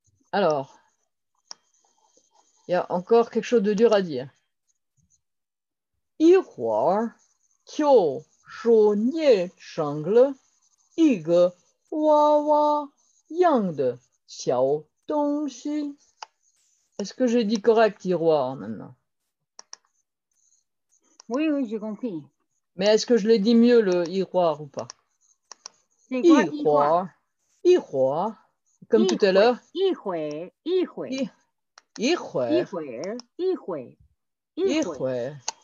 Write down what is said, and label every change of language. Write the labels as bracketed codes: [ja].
[fr] Alors, il y a encore quelque chose de dur à dire. Yi huar, [zh] 就是捏成了一个娃娃样的小东西。 [fr] Est-ce que j'ai dit correct, tiroir, maintenant? Oui, oui, j'ai compris. Mais est-ce que je l'ai dit mieux, le tiroir ou pas? Tiroir. Tiroir. Comme tout à l'heure. Tiroir.